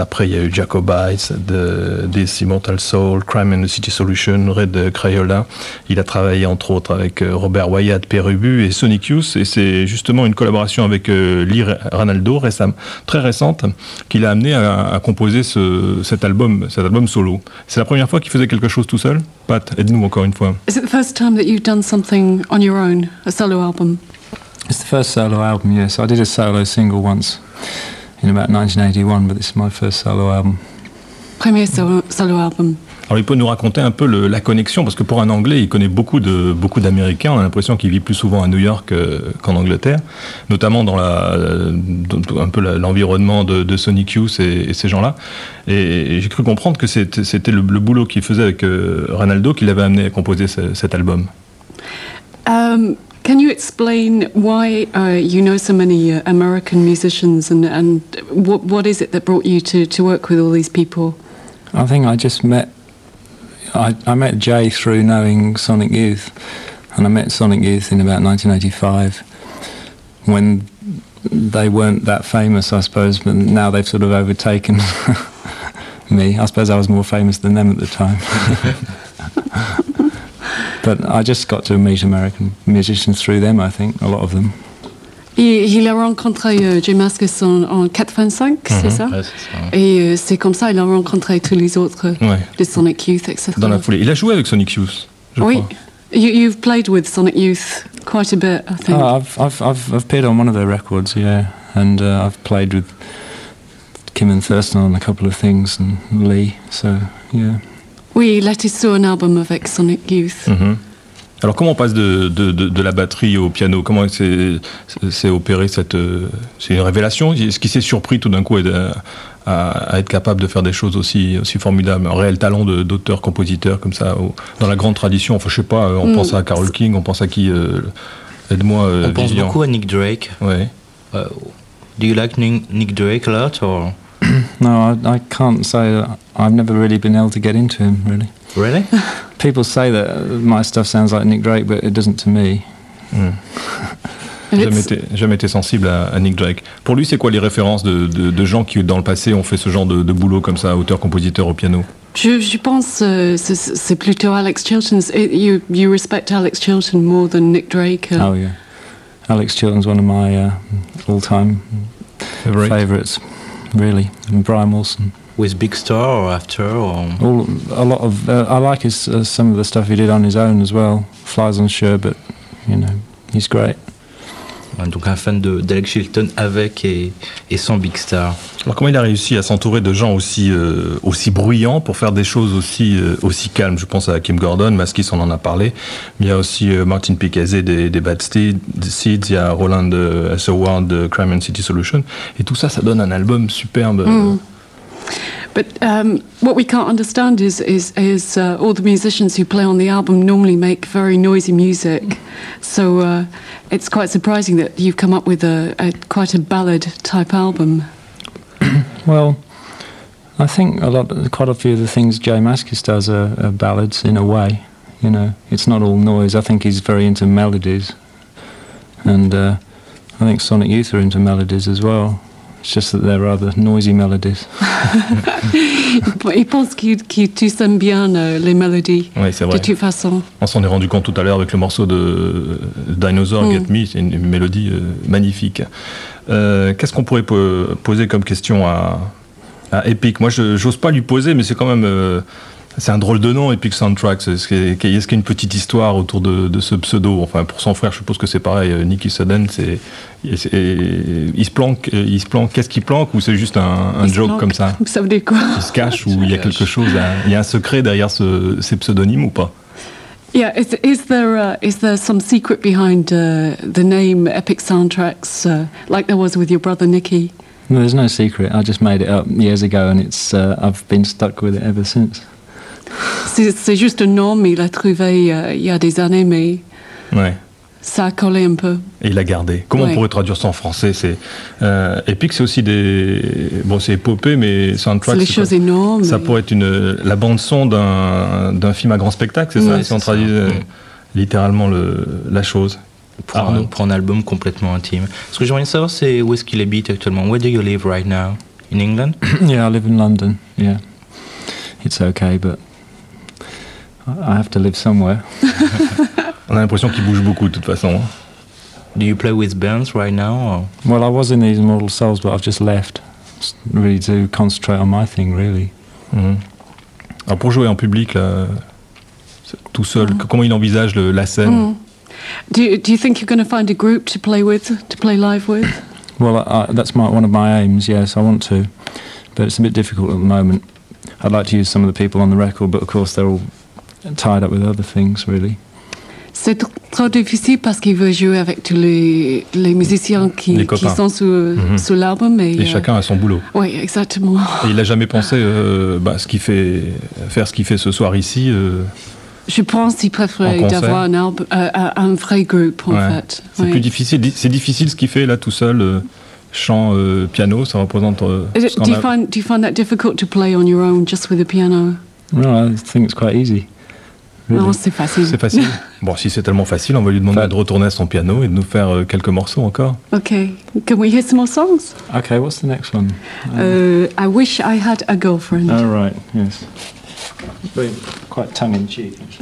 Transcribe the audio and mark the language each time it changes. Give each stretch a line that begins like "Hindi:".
French: Après, il y a eu Jacob Ice, des Immortal Soul, Crime and the City Solution, Red Crayola. Il a travaillé, entre autres, avec Robert Wyatt, Père Ubu et Sonic. Et c'est justement une collaboration avec Lee Ranaldo, très récente, qui l'a amené à composer cet album solo. C'est la première fois qu'il faisait quelque chose tout seul. Pat, aide-nous encore une fois.
English: Is it the first time that you've done something on your own, a solo album? It's the first solo album, yes. I did a solo single once in about 1981, but this is my first solo album.
French: Premier solo album. Alors, il peut nous raconter un peu la connexion, parce que pour un Anglais, il connaît beaucoup d'Américains. On a l'impression qu'il vit plus souvent à New York qu'en Angleterre, notamment dans l'environnement de Sonic Youth et ces gens-là. Et j'ai cru comprendre que c'était le boulot qu'il faisait avec Ranaldo qui l'avait amené à composer cet album.
English: Can you explain why you know so many American musicians and what is it that brought you to work with all these people? I think I just met. I met Jay through knowing Sonic Youth, and I met Sonic Youth in about 1985 when they weren't that famous, I suppose, but now they've sort of overtaken me. I suppose I was more famous than them at the time. But I just got to meet American musicians through them, I think, a lot of them.
French: Il a rencontré Jay Mascus en 85, mm-hmm. C'est ça? Ouais, c'est ça. Et c'est comme ça, il a rencontré tous les autres de Sonic Youth, etc. Dans la foulée. Il a joué avec Sonic Youth, je crois. Oui.
English: You've played with Sonic Youth quite a bit, I think. I've appeared on one of their records, yeah. And I've played with Kim and Thurston on a couple of things, and Lee, so, yeah.
French: Oui, il a sur un album avec Sonic Youth. Mm-hmm. Alors comment on passe de la batterie au piano? Comment c'est opéré c'est une révélation? Est-ce qu'il s'est surpris tout d'un coup à être capable de faire des choses aussi formidables? Un réel talent d'auteur-compositeur comme ça, dans la grande tradition, enfin je sais pas, on pense à Carole King, on pense à qui? Aide-moi, on pense Vivian. Beaucoup à Nick Drake. Ouais.
English: Do you like Nick Drake a lot or? No, I can't say that. I've never really been able to get into him, really. Really? People say that my stuff sounds like Nick Drake, but it doesn't to me.
French: Jamais été sensible à Nick Drake. Pour lui, c'est quoi les références de gens qui, dans le passé, ont fait ce genre de boulot comme ça, auteur-compositeur au piano? Je pense que c'est plutôt Alex Chilton.
English: You respect Alex Chilton more than Nick Drake. Oh, yeah. Alex Chilton's one of my all-time favorites. Really, and Brian Wilson. With Big Star or after? Or? All, a lot of. I like some of the stuff he did on his own as well. Flies on Sherbet, you know, he's great.
French: Donc un fan d'Alex Chilton avec et sans Big Star. Alors comment il a réussi à s'entourer de gens aussi, aussi bruyants pour faire des choses aussi, aussi calmes? Je pense à Kim Gordon, Maskis, on en a parlé. Mais il y a aussi Martin Picazé des Bad Seeds, il y a Roland Sowar de Crime and City Solution. Et tout ça, ça donne un album superbe.
English: But what we can't understand is all the musicians who play on the album normally make very noisy music. So it's quite surprising that you've come up with quite a ballad type album. Well, I think quite a few of the things Jay Maskis does are ballads in a way. You know, it's not all noise. I think he's very into melodies. And I think Sonic Youth are into melodies as well. It's just that they're rather noisy melodies.
French: Il pense que tu aimes bien les mélodies. Oui, c'est vrai. De toute façon. On s'en est rendu compte tout à l'heure avec le morceau de Dinosaur Get Me. C'est une mélodie magnifique. Qu'est-ce qu'on pourrait poser comme question à Epic? Moi, je n'ose pas lui poser, mais c'est quand même... c'est un drôle de nom, Epic Soundtrack. Est-ce qu'il y a une petite histoire autour de ce pseudo? Enfin, pour son frère, je suppose que c'est pareil. Nicky Sudden, il se planque. Qu'est-ce qu'il planque? Ou c'est juste un joke planque, comme ça? Ça veut dire quoi? Il se cache ou il y a quelque chose? Il y a un secret derrière ces pseudonymes ou pas?
English: Yeah, is there some secret behind the name Epic Soundtracks, like there was with your brother Nicky? No, there's no secret. I just made it up years ago, and it's I've been stuck with it ever since.
French: C'est juste un nom, mais il l'a trouvé il y a des années, mais ouais. Ça a collé un peu. Et il l'a gardé. Comment ouais. On pourrait traduire ça en français? C'est Epic, c'est aussi des... Bon, c'est épopée, mais soundtrack... C'est les choses énormes. Ça pourrait être la bande-son d'un film à grand spectacle, c'est ça? Ouais, si on traduit littéralement la chose. Pour un album complètement intime. Ce que j'aimerais savoir, c'est où est-ce qu'il habite actuellement?
English: Where do you live right now? In England? Yeah, I live in London, yeah. It's okay, but I have to live somewhere.
French: On a l'impression qu'il bouge beaucoup, de toute façon.
English: Do you play with bands right now? Or? Well, I was in these Immortal Souls, but I've just left. Really to concentrate on my thing, really. Mm-hmm.
French: Alors pour jouer en public, là, tout seul, comment il envisage la scène? Mm.
English: Do you think you're going to find a group to play with, to play live with? Well, that's one of my aims, yes, I want to. But it's a bit difficult at the moment. I'd like to use some of the people on the record, but of course they're all tied up with other things, really.
French: C'est trop difficile parce qu'il veut jouer avec tous les musiciens qui sont sous l'album. Et chacun a son boulot. Oui, exactement. Et il n'a jamais pensé faire ce qu'il fait ce soir ici. Je pense qu'il préférait d'avoir un vrai groupe, en fait. C'est plus difficile. C'est difficile ce qu'il fait là tout seul. Chant, piano, ça représente.
English: Do you find that difficult to play on your own, just with a piano? No, I think it's quite easy. Really.
French: Non, c'est facile. C'est facile. Bon, si c'est tellement facile, on va lui demander de retourner à son piano et de nous faire quelques morceaux encore.
English: Okay, can we hear some more songs? Okay, what's the next one? I wish I had a girlfriend. Oh, right, yes. Very, quite tongue in cheek.